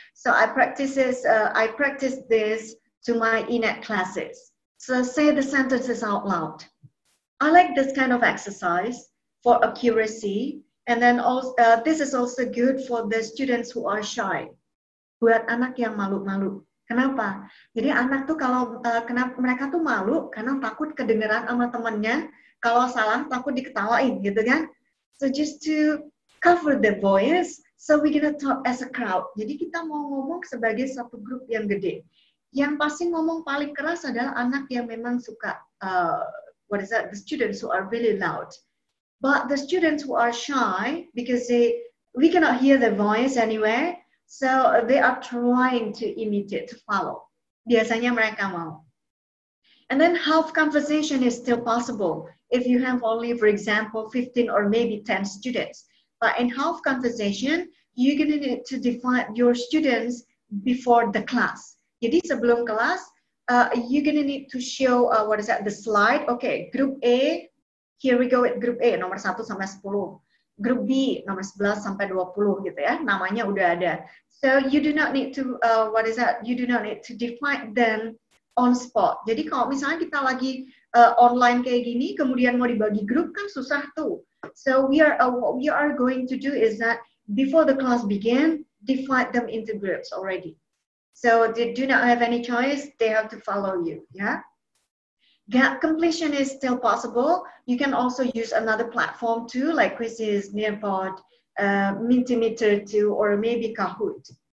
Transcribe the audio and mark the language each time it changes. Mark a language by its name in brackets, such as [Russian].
[English] So I practiced this to my in-app classes. So say the sentences out loud. I like this kind of exercise for accuracy. And then also, this is also good for the students who are shy. [Indonesian] Buat anak yang malu-malu. Kenapa? Jadi anak tuh kalau, kenapa mereka tuh malu karena takut kedengeran sama temannya. Kalau salah, takut diketawain, gitu kan? [English] So just to cover the voice, so we're gonna talk as a crowd. [Indonesian] Jadi kita mau ngomong sebagai satu grup yang gede. Yang pasti ngomong paling keras adalah anak yang memang suka, [English] what is that, the students who are really loud. But the students who are shy, because we cannot hear their voice anywhere, so they are trying to imitate, to follow. [Indonesian] Biasanya mereka mau. [English] And then half conversation is still possible. If you have only, for example, 15 or maybe 10 students. But in half conversation, you're gonna need to define your students before the class. [Indonesian] Jadi sebelum kelas, [English] you're gonna need to show, what is that, the slide. Okay, group A, here we go with group A, [Indonesian] nomor 1 sampai 10. Group B, nomor 11 sampai 20 gitu ya, namanya udah ada. [English] So you do not need to, what is that, you do not need to define them on spot. [Indonesian] Jadi kalau misalnya kita lagi online kayak gini, kemudian mau dibagi grup kan susah tuh. [English] So we are what we are going to do is that before the class begin, divide them into groups already. So they do not have any choice, they have to follow you, yeah? Gap completion is still possible. You can also use another platform too, like Quizzes, Nearpod, Mentimeter too, or maybe Kahoot.